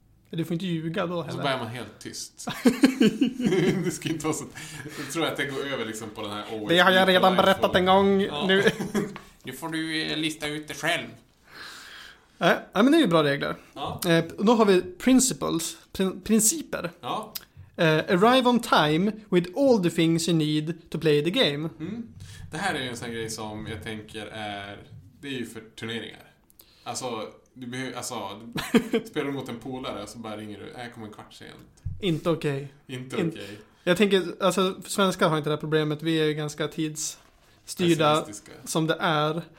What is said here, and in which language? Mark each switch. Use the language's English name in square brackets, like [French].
[Swedish] Du får inte ljuga då heller. Så börjar man helt tyst. Det ska inte vara så. Jag tror att det går över liksom på den här OS. Det har jag redan berättat en gång. Ja. Nu. Nu får du lista ut det själv. Ja, men det är ju bra regler. Ja. Då har vi principles. Principer. Ja. [English] Arrive on time with all the things you need to play the game. Mm. [Swedish] Det här är ju en sån grej som jag tänker är, det är ju för turneringar. Alltså, du spelar mot en polare och så bara ringer du, jag kommer en kvart sent. Inte okej. Okay. Inte okej. Okay. Jag tänker, alltså svenskar har inte det här problemet, vi är ju ganska tidsstyrda som det är.